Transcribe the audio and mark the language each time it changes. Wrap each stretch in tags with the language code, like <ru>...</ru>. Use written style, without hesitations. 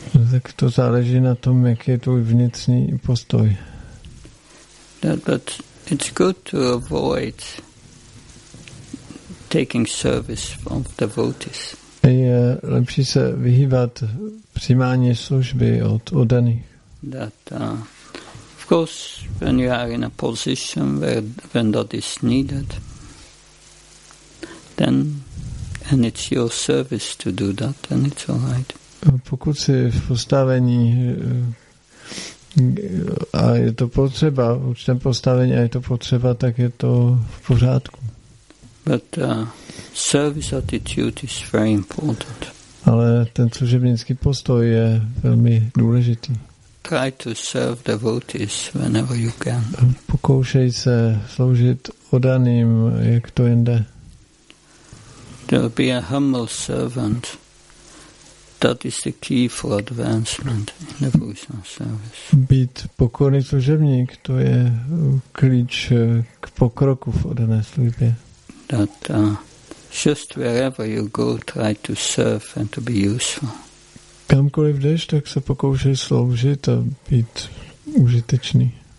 <cs>Tak to záleží na tom, jaký je tvůj vnitřní postoj.</cs> <en>But it's good to avoid taking service from devotees.</en> <cs>Je lepší se vyhýbat přijímání služby od oddaných.</cs> <en>Of course, when you are in a position where when that is needed, then and it's your service to do that, then it's all right.</en> <cs>Pokud jsi v postavení a je to potřeba, v určitém postavení a je to potřeba, tak je to v pořádku.</cs> <en>But service attitude is very important.</en> <cs>Ale ten služebnický postoj je velmi důležitý.</cs> <en>Try to serve devotees whenever you can.</en> <cs>Pokoušej se sloužit oddaným, jak to jen jde.</cs> <en>There'll be a humble servant. That is the key for advancement in devotional service.</en> <cs>Být pokorný služebník, to je klíč k pokroku v oddané službě.</cs> <en>That just wherever you go, try to serve and to be useful.</en> <cs>Kamkoliv jdeš, tak se pokoušej sloužit a být užitečný.</cs>